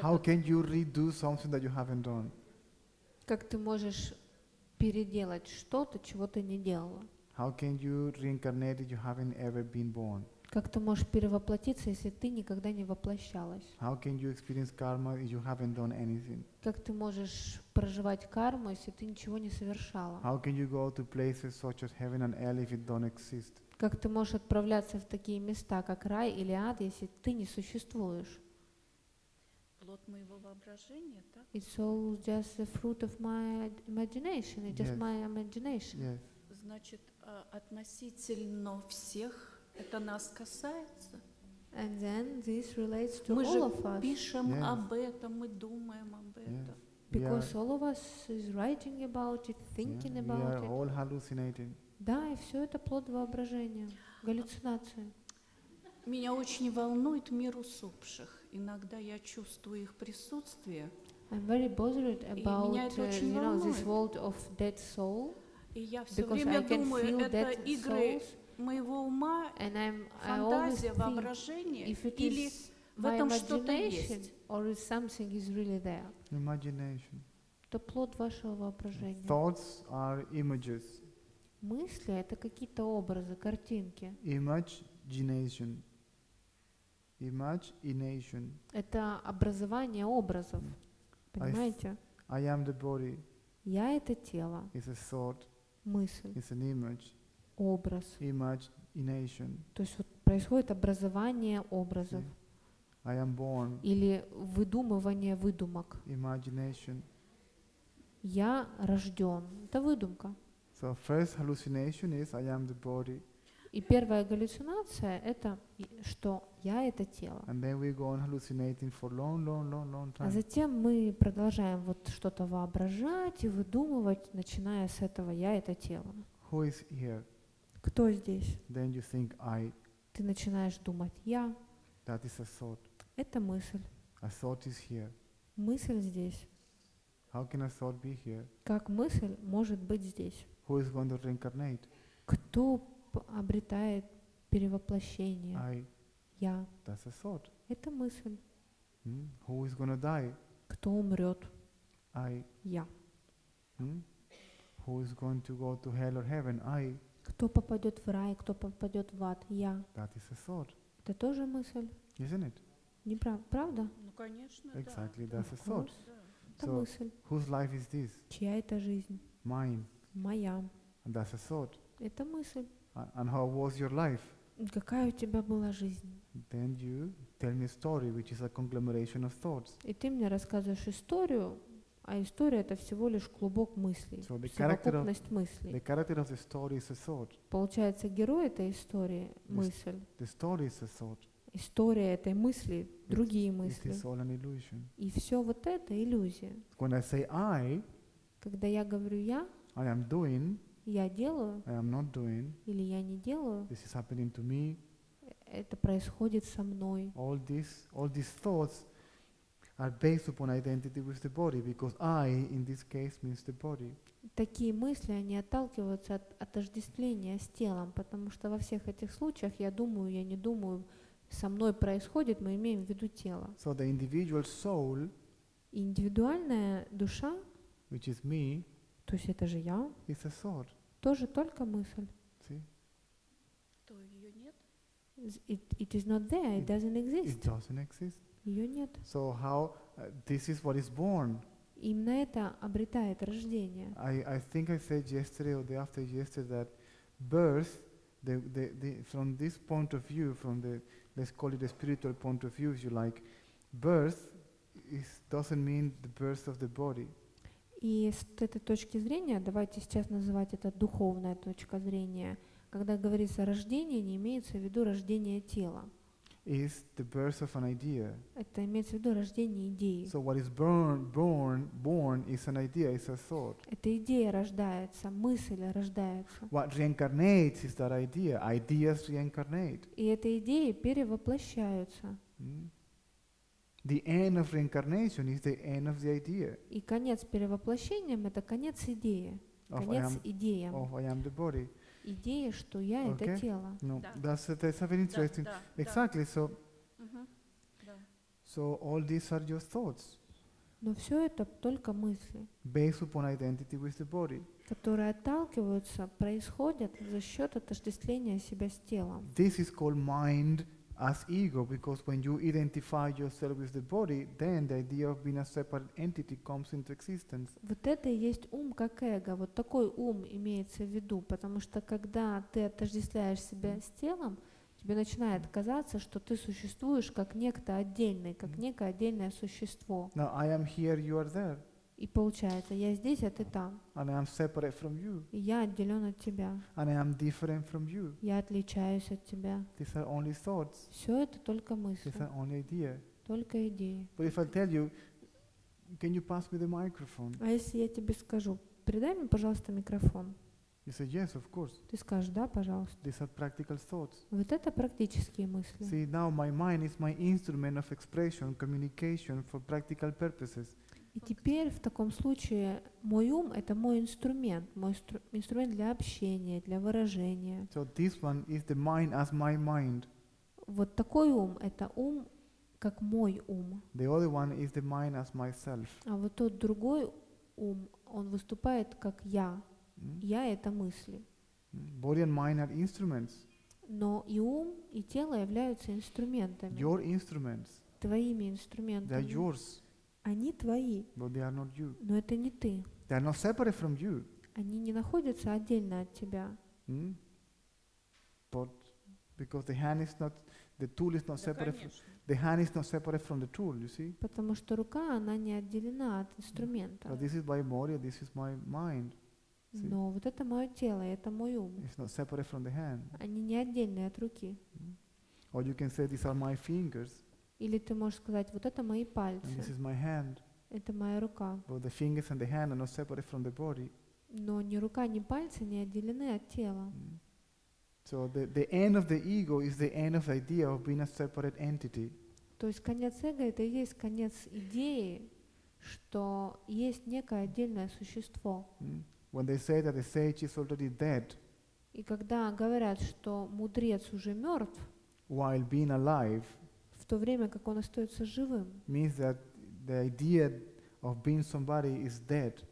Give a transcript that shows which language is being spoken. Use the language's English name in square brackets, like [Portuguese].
[English] How can you redo something that you haven't done? [Russian] Как ты можешь переделать что-то, чего ты не делала? [English] How can you reincarnate if you haven't ever been born? [Russian] Как ты можешь перевоплотиться, если ты никогда не воплощалась? [English] How can you experience karma if you haven't done anything? [Russian] Как ты можешь проживать карму, если ты ничего не совершала? [English] How can you go to places such as heaven and hell if it don't exist? [Russian] Как ты можешь отправляться в такие места, как рай или ад, если ты не существуешь? Плод моего воображения, так? [English] It's all just the fruit of my imagination. It's just my imagination. Yes. [Russian] Значит, относительно всех. Это нас касается. [English] And then this relates to [Russian] мы [English] all of us. [Russian] Мы же пишем yes. об этом, мы думаем об этом. [English] Yes. Because all of us is writing about it, thinking yeah. about it. We are it. All hallucinating. [Russian] Да, и все это плод воображения, галлюцинации. Меня очень волнует мир усопших. Иногда я чувствую их присутствие. [English] I'm very bothered about, you know, this world of dead soul. [Russian] И я все время думаю, это игры. Моего ума, фантазия, воображение, или в этом что-то есть? [English] Or if something is really there. Imagination. [Russian] Это плод вашего воображения. [English] Thoughts are images. [Russian] Мысли — это какие-то образы, картинки. [English] Imagination. Imagination. [Russian] Это образование образов. Понимаете? [English] I am the body. [Russian] Я — это тело. [English] It's a thought. [Russian] Мысль. [English] It's an image. [Russian] Образ. [English] Imagination. [Russian] То есть вот происходит образование образов. [English] See, I am born. [Russian] Или выдумывание выдумок. [English] Imagination. [Russian] Я рожден. Это выдумка. [English] So first hallucination is I am the body. [Russian] И первая галлюцинация это что я это тело. [English] And then we go on hallucinating for long, long, long, long time. [Russian] А затем мы продолжаем вот что-то воображать и выдумывать, начиная с этого я это тело. [English] Who is here? [Russian] Кто здесь? [English] Then you think I. [Russian] Ты начинаешь думать я. [English] That is a thought. [Russian] Это мысль. [English] A thought is here. [Russian] Мысль здесь. [English] How can a thought be here? [Russian] Как мысль может быть здесь? [English] Who is going to reincarnate? [Russian] Кто обретает перевоплощение? [English] I. [Russian] Я. [English] That's a thought. [Russian] Это мысль. [English] Mm. Who is going to die? [Russian] Кто умрет? [English] I. [Russian] Я. Mm. [English] Who is going to go to hell or heaven? I. [Russian] Кто попадет в рай, кто попадет в ад? Я. [English] That is a thought. [Russian] Это тоже мысль. [English] Isn't it? [Russian] Не правда? Ну, конечно, [English] exactly, [Russian] да. [English] That's a thought. [Russian] Это мысль. [English] Whose life is this? [Russian] Чья это жизнь? [English] Mine. [Russian] Моя. [English] And that's a thought. [Russian] Это мысль. [English] And how was your life? [Russian] Какая у тебя была жизнь? [English] Then you tell me a story, which is a conglomeration of thoughts. [Russian] И ты мне рассказываешь историю, а история это всего лишь клубок мыслей, совокупность мыслей. [English] The character of the story is a thought. [Russian] Получается, герой этой истории мысль. [English] The story is a thought. [Russian] История этой мысли, другие мысли. [English] It is all an illusion. [Russian] И все вот это иллюзия. [English] When I say I, [Russian] когда я говорю я, [English] I am doing, [Russian] я делаю, [English] I am not doing, [Russian] или я не делаю, [English] this is happening to me, [Russian] это происходит со мной. [English] All these thoughts are based upon identity with the body, because I, in this case, means the body. [Russian] Такие мысли, они отталкиваются от отождествления с телом, потому что во всех этих случаях я думаю, я не думаю. Со мной происходит, мы имеем в виду тело. [English] So the individual soul, [Russian] индивидуальная душа, [English] which is me, [Russian] то есть это же я, [English] is a thought. [Russian] Тоже только мысль. [English] See? [Russian] То ее нет. [English] It is not there, it doesn't exist. It doesn't exist. [Russian] Ее нет. [English] So how this is what is born. [Russian] Именно это обретает рождение. [English] I think I said yesterday or the after yesterday that birth, the from this point of view, from the let's call it a spiritual point of view, if you like. Birth is, doesn't mean the birth of the body. [Russian] И с этой точки зрения, давайте сейчас называть это духовная точка зрения, когда говорится рождение, не имеется в виду рождение тела. [English] Is the birth of an idea. [Russian] Это имеется в виду рождение идеи. [English] So what is born is an idea, is a thought. [Russian] Эта идея рождается, мысль рождается. [English] What reincarnates is that idea. Ideas reincarnate. [Russian] И эти идеи перевоплощаются. [English] The end of reincarnation is the end of the idea. [Russian] И конец перевоплощением это конец идеи. Конец идеям. [English] Of I am the body. [Russian] Идея, что я это тело. [English] No, that's very interesting. [Russian] Да, да, [English] exactly. [Russian] Да. [English] So, So all these are your thoughts. [Russian] Но все это только мысли. [English] Based upon identity with the body. [Russian] Которые отталкиваются, происходят за счет отождествления себя с телом. [English] This is called mind as ego, because when you identify yourself with the body, then the idea of being a separate entity comes into existence. [Russian] Вот это и есть ум как эго. Вот такой ум имеется в виду, потому что когда ты отождествляешь себя с телом, тебе начинает казаться, что ты существуешь как некто отдельный, как некое отдельное существо. [English] Now I am here, you are there. [Russian] И получается, я здесь, а ты там. [English] And I am separate from you. [Russian] И я отделен от тебя. [English] And I am different from you. [Russian] Я отличаюсь от тебя. [English] These are only thoughts. [Russian] Все это только мысли. [English] These are only ideas. [Russian] Только идеи. [English] But if I tell you, can you pass me the microphone? [Russian] А если я тебе скажу, передай мне, пожалуйста, микрофон. [English] You say yes, of course. [Russian] Ты скажешь да, пожалуйста. [English] These are practical thoughts. [Russian] Вот это практические мысли. [English] See, now my mind is my instrument of expression, communication for practical purposes. [Russian] И теперь в таком случае мой ум это мой инструмент для общения, для выражения. [English] So this one is the mind as my mind. [Russian] Вот такой ум это ум как мой ум. [English] The other one is the mind as myself. [Russian] А вот тот другой ум он выступает как я. Я это мысли. [English] Body and mind are instruments. [Russian] Но и ум и тело являются инструментами. [English] Your instruments. [Russian] Твоими инструментами. [English] They are yours. [Russian] Они твои, [English] but they are not you. [Russian] Но это не ты. [English] They are not separate from you. [Russian] Они не находятся отдельно от тебя. Mm? [English] But because the hand is not, the tool is not separate. [Russian] Да, [English] the hand is not separate from the tool, you see? [Russian] Потому что рука, она не отделена от инструмента. [English] But this is my body, this is my mind. [Russian] Но вот это мое тело, это мой ум. [English] It's not separate from the hand. [Russian] Они не отдельные от руки. [English] Or you can say these are my fingers. [Russian] Или ты можешь сказать, вот это мои пальцы. [English] And this is my hand. [Russian] Это моя рука. [English] But the fingers and the hand are not separate from the body. [Russian] Но ни рука, ни пальцы не отделены от тела. [English] So the end of the ego is the end of the idea of being a separate entity. [Russian] То есть конец эго — это и есть конец идеи, что есть некое отдельное существо. [English] When they say that the sage is already dead. [Russian] И когда говорят, что мудрец уже мертв, [English] while being alive, [Russian] в то время как он остается живым, [English] means that the idea of being somebody is dead.